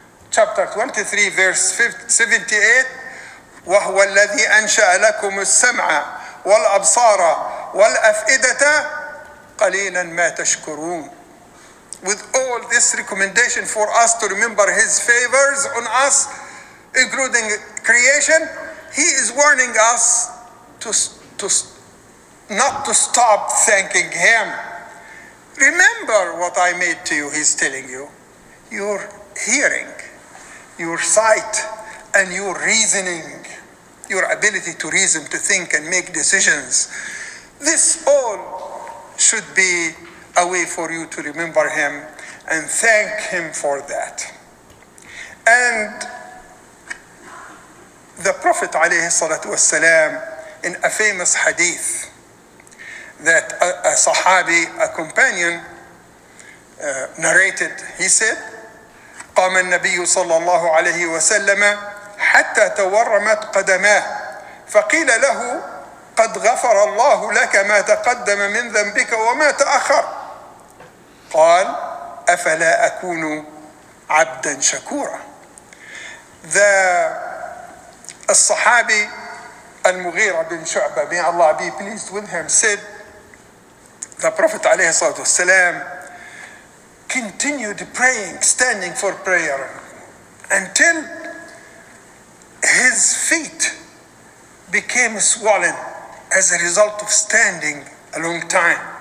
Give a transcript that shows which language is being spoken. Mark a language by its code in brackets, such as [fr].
[en] chapter 23, verse 78, [ar] وهو الذي أنشأ لكم السمع والأبصار والأفئدة قليلا ما تشكرون. [en] With all this recommendation for us to remember his favors on us, including creation, he is warning us to not stop thanking him. Remember what I made to you, he's telling you. Your hearing, your sight, and your reasoning, your ability to reason, to think, and make decisions. This all should be a way for you to remember him and thank him for that. And the Prophet [ar] عليه الصلاة والسلام, [en] in a famous hadith, that a Sahabi, a companion, narrated, he said, [ar] قام النبي صلى الله عليه وسلم حتى تورمت قدماه فقيل له قد غفر الله لك ما تقدم من ذنبك وما تأخر قال أفلا أكون عبدا شكورا. [en] The الصحابي المغيرة بن شعبة, may Allah be pleased with him, said the Prophet [ar] عليه الصلاة والسلام [en] continued praying, standing for prayer, until his feet became swollen as a result of standing a long time.